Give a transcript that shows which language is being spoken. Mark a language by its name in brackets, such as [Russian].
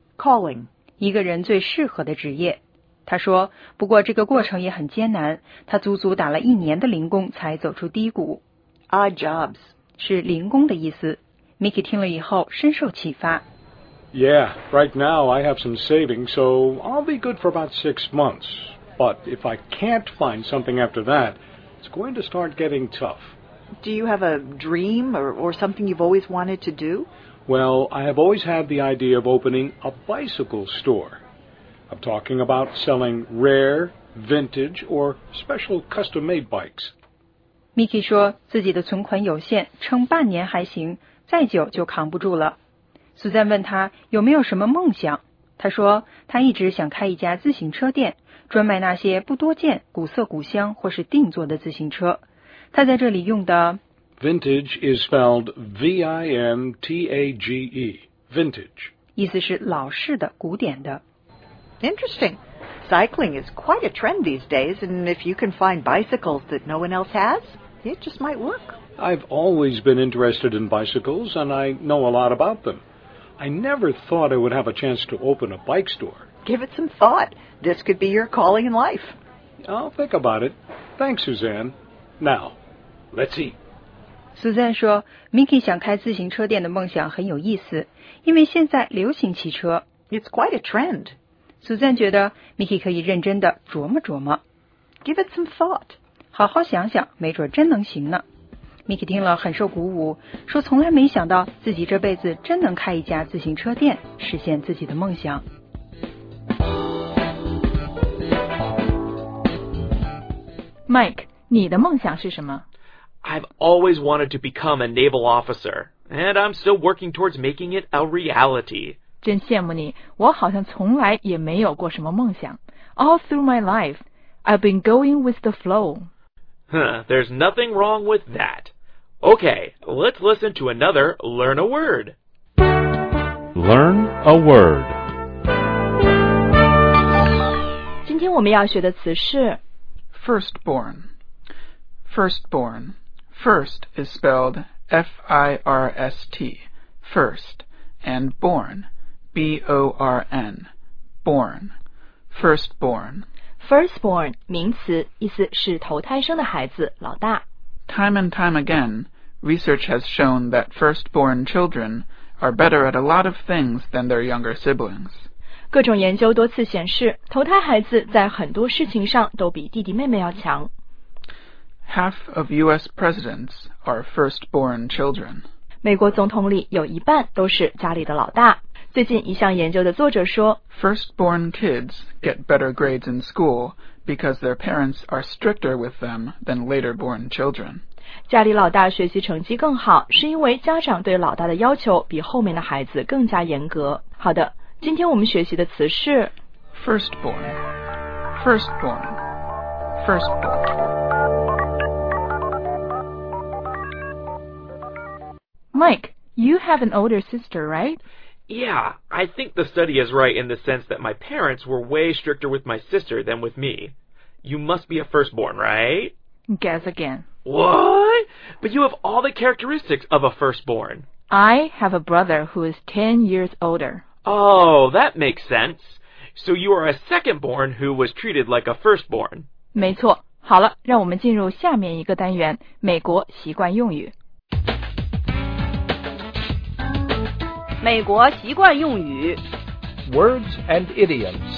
[English] Calling. [Chinese] 一个人最适合的职业。他说，不过这个过程也很艰难，他足足打了一年的零工才走出低谷。 [English] Odd jobs. [Chinese] 是零工的意思。 Miki 听了以后深受启发。 [English] Yeah, right now I have some savings, so I'll be good for about 6 months. But if I can't find something after that, it's going to start getting tough. Do you have a dream or something you've always wanted to do? Well, I have always had the idea of opening a bicycle store. I'm talking about selling rare, vintage, or special custom-made bikes. [Chinese] Miki 说自己的存款有限，撑半年还行，再久就扛不住了。 Suzanne 问他有没有什么梦想，他说他一直想开一家自行车店，专卖那些不多见、古色古香或是定做的自行车。他在这里用的 [English] Vintage is spelled V-I-N-T-A-G-E, vintage. [Chinese] 意思是老式的、古典的。 [English] Interesting. Cycling is quite a trend these days, and if you can find bicycles that no one else has, it just might work. I've always been interested in bicycles, and I know a lot about them. I never thought I would have a chance to open a bike store. Give it some thought. This could be your calling in life. I'll think about it. Thanks, Suzanne. Now, let's eat. [Chinese] Suzanne 说 ,Miki 想开自行车店的梦想很有意思,因为现在流行汽车。 [English] It's quite a trend. [Chinese] Suzanne 觉得 Miki 可以认真地琢磨琢磨。 [English] Give it some thought. [Chinese] 好好想想，没准真能行呢。Miki 听了很受鼓舞，说从来没想到自己这辈子真能开一家自行车店，实现自己的梦想。 Mike, 你的梦想是什么？ [English] I've always wanted to become a naval officer, and I'm still working towards making it a reality. [Chinese] 真羡慕你，我好像从来也没有过什么梦想。 [English] All through my life, I've been going with the flow. There's nothing wrong with that. Okay, let's listen to another Learn a Word. Learn a Word. [Chinese] 今天我们要学的词是 [English] Firstborn. Firstborn. First is spelled F-I-R-S-T. First. And born. B-O-R-N, born, firstborn. [Chinese] Firstborn, 名词，意思是头胎生的孩子，老大。 [English] Time and time again, research has shown that firstborn children are better at a lot of things than their younger siblings. [Chinese] 各种研究多次显示，头胎孩子在很多事情上都比弟弟妹妹要强。 [English] Half of U.S. presidents are firstborn children. [Chinese] 美国总统里有一半都是家里的老大。最近一项研究的作者说 [English] Firstborn kids get better grades in school because their parents are stricter with them than later born children. [Chinese] 家里老大学习成绩更好是因为家长对老大的要求比后面的孩子更加严格。好的，今天我们学习的词是 [English] Firstborn, firstborn, firstborn. Mike, you have an older sister, right? Yeah, I think the study is right in the sense that my parents were way stricter with my sister than with me. You must be a firstborn, right? Guess again. What? But you have all the characteristics of a firstborn. I have a brother who is 10 years older. Oh, that makes sense. So you are a secondborn who was treated like a firstborn. [Chinese] 没错。好了，让我们进入下面一个单元，美国习惯用语。美国习惯用语 [English] Words and idioms